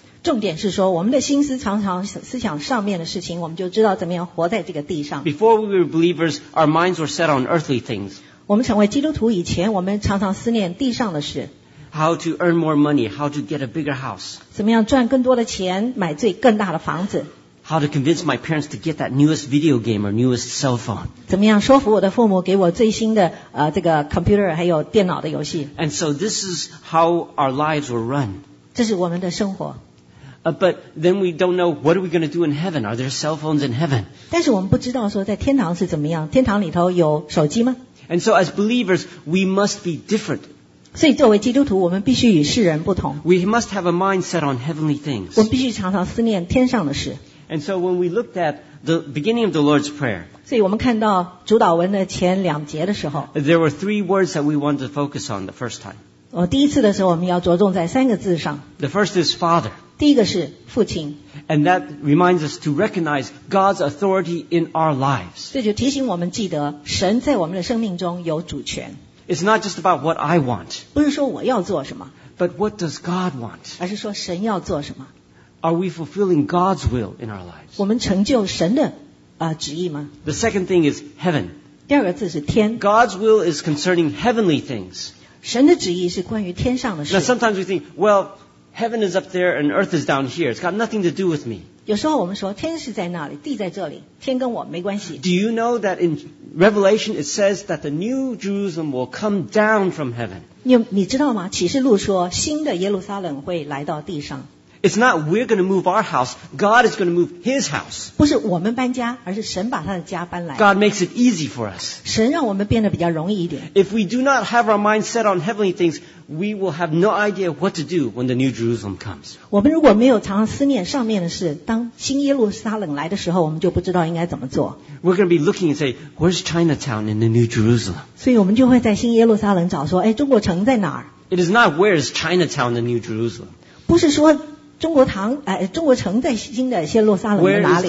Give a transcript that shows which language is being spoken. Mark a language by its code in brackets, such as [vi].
[zh] 重点是说，我们的心思常常思想上面的事情，我们就知道怎么样活在这个地上。 [en] Before we were believers, our minds were set on earthly things. [zh] 我们成为基督徒以前，我们常常思念地上的事。 [en] How to earn more money? How to get a bigger house? [zh] 怎么样赚更多的钱，买最更大的房子？ [en] How to convince my parents to get that newest video game or newest cell phone? [zh] 怎么样说服我的父母给我最新的这个 computer 还有电脑的游戏？ [en] And so this is how our lives were run. [zh] 这是我们的生活。 [en] But then we don't know what are we going to do in heaven? Are there cell phones in heaven? [zh] 但是我们不知道说在天堂是怎么样？天堂里头有手机吗？ [en] And so as believers, we must be different. [zh] 所以作为基督徒，我们必须与世人不同。 [en] We must have a mind set on heavenly things. [zh] 我们必须常常思念天上的事。 [en] And so when we looked at the beginning of the Lord's Prayer, [zh] 所以我们看到主导文的前两节的时候， [en] there were three words that we wanted to focus on the first time. [zh] 第一次的时候，我们要着重在三个字上。 [en] The first is Father. [zh] 第一个是父亲。 [en] And that reminds us to recognize God's authority in our lives. [zh] 这就提醒我们记得神在我们的生命中有主权。 [en] It's not just about what I want. [zh] 不是说我要做什么。 [en] But what does God want? [zh] 而是说神要做什么。 [en] Are we fulfilling God's will in our lives? [zh] 我们成就神的旨意吗？ [en] The second thing is heaven. [zh] 第二个字是天。 [en] God's will is concerning heavenly things. [zh] 神的旨意是关于天上的事。 [en] Now sometimes we think, well, heaven is up there and earth is down here. It's got nothing to do with me. [zh] 有时候我们说天是在那里，地在这里，天跟我没关系。 [en] Do you know that in Revelation it says that the new Jerusalem will come down from heaven? [zh] 你知道吗？启示录说新的耶路撒冷会来到地上。 [en] It's not we're going to move our house. God is going to move His house. [zh] 不是我们搬家，而是神把他的家搬来。 [en] God makes it easy for us. [zh] 神让我们变得比较容易一点。 [en] If we do not have our mind set on heavenly things, we will have no idea what to do when the new Jerusalem comes. [zh] 我们如果没有常常思念上面的事，当新耶路撒冷来的时候，我们就不知道应该怎么做。 [en] We're going to be looking and say, where's Chinatown in the new Jerusalem? [zh] 所以我们就会在新耶路撒冷找说，哎，中国城在哪儿？ [en] It is not where is Chinatown in the new Jerusalem. [zh] 不是说中国堂，中国城在新的耶路撒冷在哪里？